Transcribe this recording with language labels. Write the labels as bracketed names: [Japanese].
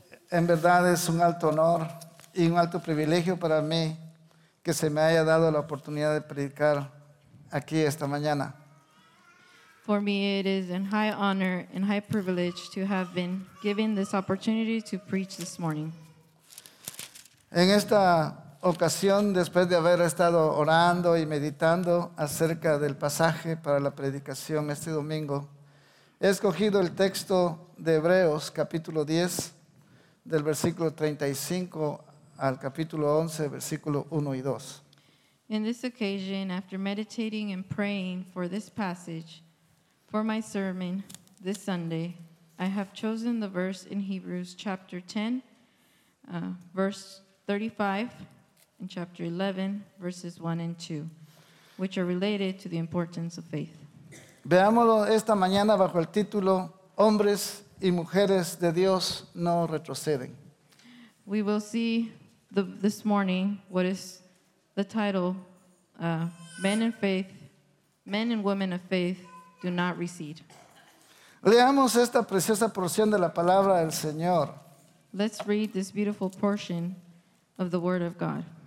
[Spanish] En verdad es un alto honor y un alto privilegio para mí que se me haya dado la oportunidad de predicar aquí esta mañana. [English] For me, it is a high honor and high privilege to have been given this opportunity to preach this morning. [Spanish] En esta ocasión, después de haber estado orando y meditando acerca del pasaje para la predicación este domingo, he escogido el texto de Hebreos, capítulo 10, del versículo 35 al capítulo 11, versículo 1 y 2. [English] In this occasion, after meditating and praying for this passage for my sermon this Sunday, I have chosen the verse in Hebrews chapter 10, verse 35, and chapter 11, verses 1 and 2, which are related to the importance of faith. [Spanish] Veámoslo esta mañana bajo el título, Hombres y Mujeres de Dios No Retroceden. [English] We will see this morning what is the title, Men and Women of Faith Do Not Recede. [Spanish] Leamos esta preciosa porción de la palabra del Señor. [English] Let's read this beautiful portion of the Word of God.